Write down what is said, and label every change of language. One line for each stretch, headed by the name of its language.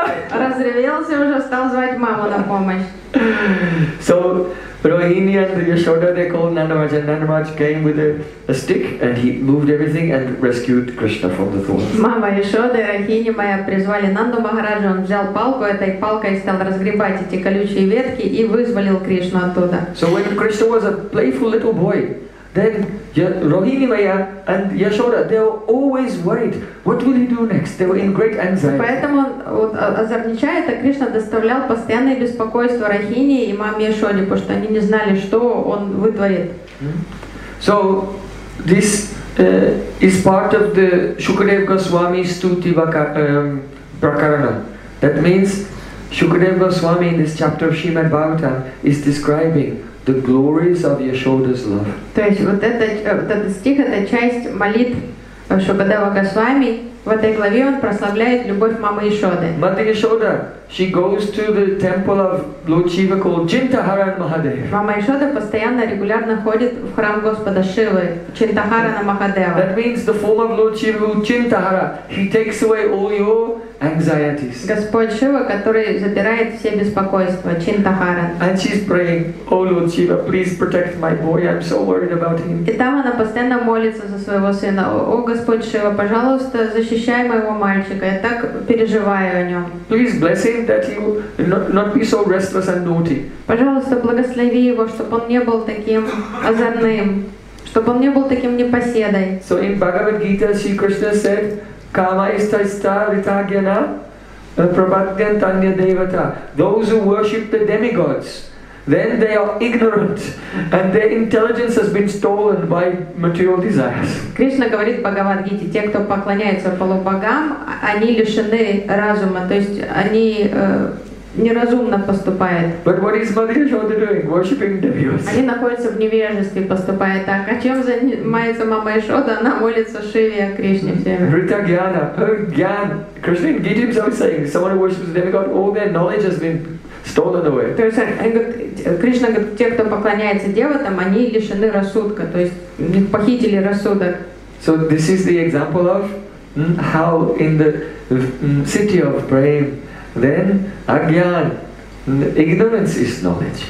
Russian: Разревелся уже, стал звать маму на помощь.
English: So Rohini and Yashoda, they called Nandamaj, and Nandamaj came with a stick and he moved everything and rescued Krishna from the thorns.
Russian: Мама Ишода и Рахини моя призвали Нанду Махараджа, он взял палку этой палкой и стал разгребать эти колючие ветки и вызволил Кришну оттуда.
English: So when Krishna was a playful little boy, then Rohini Maya and Yashoda, they were always worried. What will he do next? They were in great anxiety.
Russian: Поэтому вот озорничая, это Кришна доставлял постоянное беспокойство Рахини и маме Яшоде, потому что они не знали, что он вытворит.
English: So this is part of the Shukadev Goswami Stuti Prakarana. That means Shukadev Goswami in this chapter of Srimad Bhagavatam is describing the glories of Yashoda's love.
Russian: То есть вот этот стих, это часть молитв Шукадева Госвами. В этой главе он прославляет любовь мамы Ишоды.
English: Mother Yashoda, she goes to the temple of Lord Shiva called Chintaharan Mahadev.
Russian: Мама Ишода постоянно, регулярно ходит в храм Господа Шивы, Чинтахарана Махадева.
English: That means the form of Lord Shiva, Chintahara, he takes away all your anxieties.
Russian: Господь Шива, который забирает все беспокойства, Чинтахаран.
English: And she's praying, oh Lord Shiva, please protect my boy, I'm so worried about him.
Russian: И там она постоянно молится за своего сына, о Господь Шива, пожалуйста, защищай моего мальчика, я так переживаю о нем.
English: Please bless him that he will not be so restless and naughty.
Russian: Пожалуйста, благослови его, чтобы он не был таким озорным, чтобы он не был таким непоседой.
English: So in Bhagavad Gita, Sri Krishna said,
Sanskrit: Kama istaista ritagyana prabhadyantanya devata.
English: Those who worship the demigods, then they are ignorant and their intelligence has been stolen by material desires.
Russian: Кришна говорит в Бхагавад-гите, те, кто поклоняется полубогам, они лишены разума, то есть они неразумно поступают.
English: But what is Mother Yashoda doing? Worshipping demigods.
Russian: Они находятся в невежестве, поступая так. А чем занимается мама Ишода? Она молится Шиве, Кришне всеми.
English: Ритагьяна, her gyan. Krishna in Gita himself is saying, someone who worships a demigod, all their knowledge has been stolen away.
Russian: То есть Кришна говорит, те, кто поклоняется девотам, они лишены рассудка, то есть похитили рассудок.
English: So this is the example of how in the city of Prem, then again, ignorance is knowledge.